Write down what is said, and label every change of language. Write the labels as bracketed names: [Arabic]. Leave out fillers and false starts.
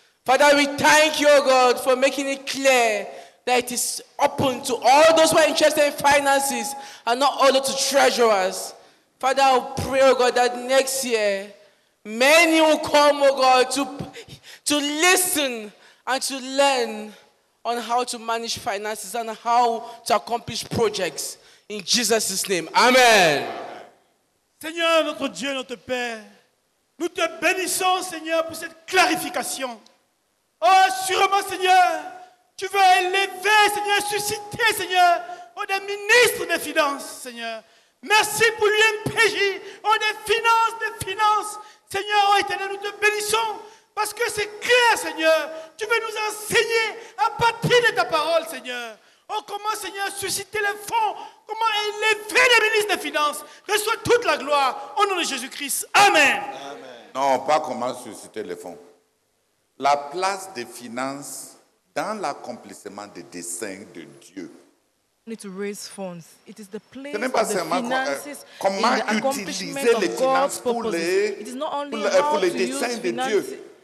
[English] Father, we thank you, God, for making it clear that it is open to all those who are interested in finances and not only to treasurers. Father, I pray, oh God, that next year, many will come, oh God, to listen and to learn on how to manage finances and how to accomplish projects. In Jesus' name, amen. [French] Seigneur, notre Dieu, notre Père, nous te bénissons, Seigneur, pour cette clarification. Oh, sûrement, Seigneur, tu veux élever, Seigneur, susciter, Seigneur, oh, des ministres des finances, Seigneur. Merci pour l'UMPJ, oh, des finances, Seigneur, oh, éternel, nous te bénissons, parce que c'est clair, Seigneur, tu veux nous enseigner à partir de ta parole, Seigneur. Oh, comment, Seigneur, susciter les fonds, comment élever les ministres des finances. Reçois toute la gloire, au nom de Jésus-Christ. Amen. Amen. Non, pas comment susciter les fonds. La place des finances dans l'accomplissement des desseins de Dieu. [English] Need to raise funds. It is the place of the finances in the accomplishment of God's purpose. It is not only how to use finances.